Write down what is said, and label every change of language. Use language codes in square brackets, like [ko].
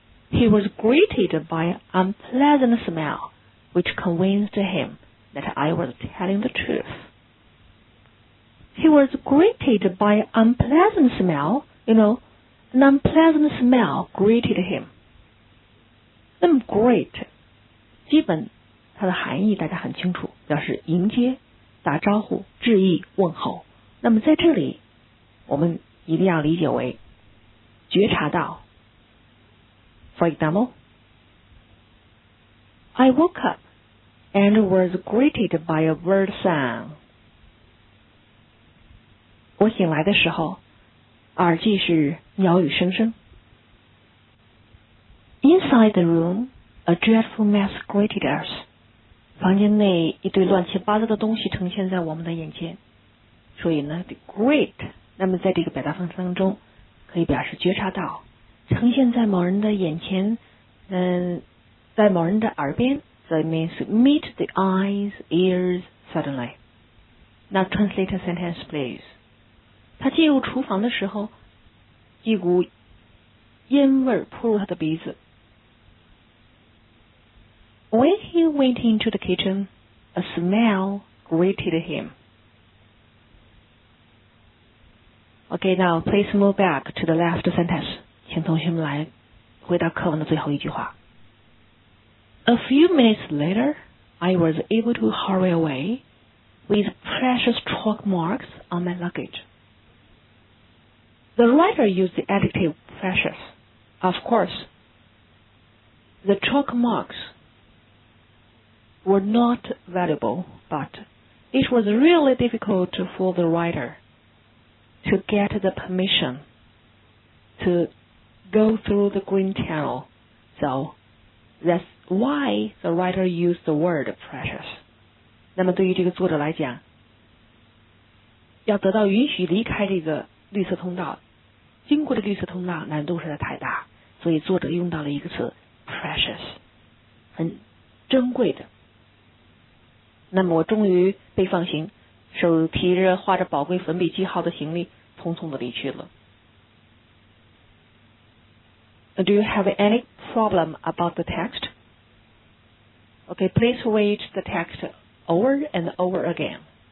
[en] He was greeted by an unpleasant smell, which convinced him that I was telling the truth. He was greeted by an unpleasant smell, you know, an unpleasant smell greeted him. [zh] 那么 great 基本它的含义大家很清楚，表示迎接、打招呼、致意、问候。那么在这里我们一定要理解为觉察到。 [en] For example, I woke up and was greeted by a bird song. [zh] 我醒来的时候耳际是鸟语声声。 [en] Inside the room, a dreadful mess greeted us. [zh] 房间内一堆乱七八糟的东西呈现在我们的眼前。所以呢 the great, 那么在这个表达方式当中可以表示觉察到呈现在某人的眼前，在某人的耳边。 [en] So it means meet the eyes, ears, suddenly. Now translate a sentence, please. [zh] 他进入厨房的时候一股烟味扑入他的鼻子。 [en] When he went into the kitchen, a smell greeted him. Okay, now please move back to the last sentence. [zh] 请同学们来回答课文的最后一句话。 [en] A few minutes later, I was able to hurry away with precious chalk marks on my luggage. The writer used the adjective precious. Of course, the chalk marks...were not valuable, but it was really difficult for the writer to get the permission to go through the green channel. So that's why the writer used the word precious. [zh] 那么对于这个作者来讲，要得到允许离开这个绿色通道，经过的绿色通道难度实在太大，所以作者用到了一个词 precious， 很珍贵的。那么我终于被放行，手提着画着宝贵粉笔记号的行李匆匆的离去了。 [en] Do you have any problem about the text? Okay, please read the text over and over again.